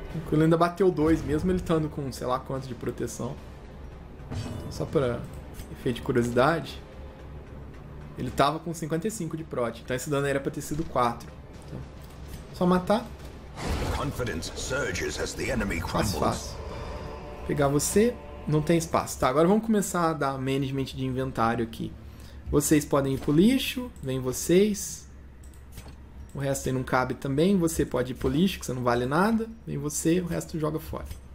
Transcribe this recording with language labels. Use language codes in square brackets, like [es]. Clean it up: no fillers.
[pt] Ele ainda bateu 2, mesmo ele estando com sei lá quanto de proteção. Então, só para efeito de curiosidade. Ele tava com 55 de prot, então esse dano era para ter sido 4. Então, só matar. [en] Confidence surges as the enemy crumbles. [pt] Fácil. Pegar você, não tem espaço. Tá, agora vamos começar a dar management de inventário aqui. Vocês podem ir pro lixo, vem vocês. O resto aí não cabe também. Você pode ir pro lixo, que você não vale nada. Vem você, o resto joga fora.